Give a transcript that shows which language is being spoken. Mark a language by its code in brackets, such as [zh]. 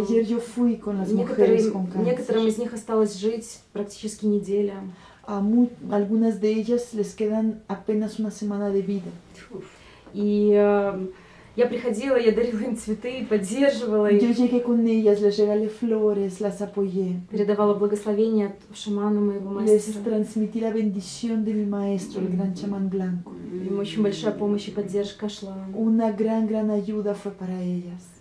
[es] Ayer yo fui con las mujeres con cáncer. [ru] Некоторым из них осталось жить практически неделя. [es] A algunas de ellas les quedan apenas una semana de vida. [ru] Y я приходила, я дарила им цветы, поддерживала их. [es] Yo llegué con ellas, les regalé flores, las apoyé. [ru] Передавала благословение от шамана моего мастера. [es] Les transmití la bendición de mi maestro, el gran chamán blanco. [ru] Им очень большая помощь и поддержка шла. [es] Una gran ayuda fue para ellas.